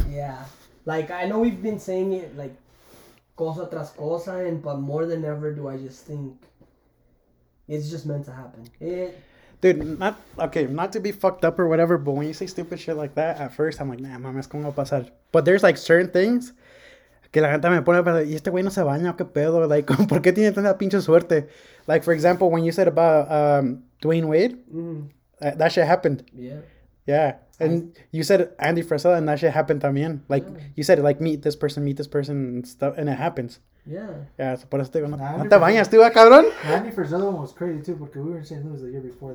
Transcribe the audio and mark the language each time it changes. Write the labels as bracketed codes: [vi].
[en] Yeah, like I know we've been saying it like, [es] cosa tras cosa, [en] and but more than ever do I just think. It's just meant to happen. Not to be fucked up or whatever, but when you say stupid shit like that, at first I'm like, nah, [es] mames, cómo va a pasar. [en] But there's like certain things. [es] Que la gente me pone, y este güey no se baña, qué pedo, like, ¿por qué tiene tanta pinche suerte? [en] Like, for example, when you said about Dwayne Wade, that shit happened. Yeah. Yeah, and you said Andy Frisella, and that shit happened también. Like, you said, like, meet this person, and stuff, and it happens. Yeah. [es] Yeah, so por eso te digo, no te bañas, tú, cabrón. [en] Andy Frisella was crazy, too, because we were in St. Louis the year before that.